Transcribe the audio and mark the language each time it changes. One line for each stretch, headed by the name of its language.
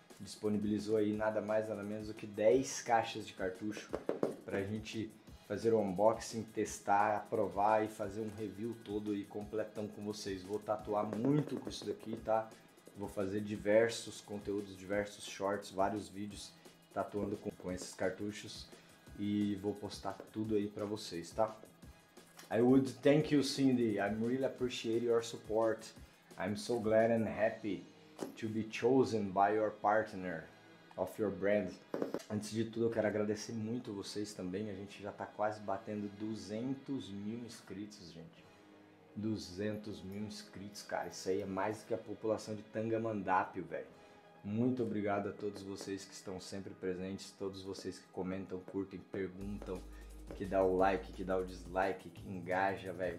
Portuguese: Disponibilizou aí nada mais nada menos do que 10 caixas de cartucho pra gente fazer o unboxing, testar, aprovar e fazer um review todo aí completão com vocês. Vou tatuar muito com isso daqui, tá? Vou fazer diversos conteúdos, diversos shorts, vários vídeos tatuando com esses cartuchos e vou postar tudo aí pra vocês, tá?
English: I would thank you, Cindy. I really appreciate your support. I'm so glad and happy to be chosen by your partner of your brand.
Portuguese: Antes de tudo, eu quero agradecer muito vocês também. A gente já tá quase batendo 200 mil inscritos, gente. 200 mil inscritos, cara. Isso aí é mais do que a população de Tangamandápio, velho. Muito obrigado a todos vocês que estão sempre presentes. Todos vocês que comentam, curtem, perguntam, que dá o like, que dá o dislike, que engaja, velho.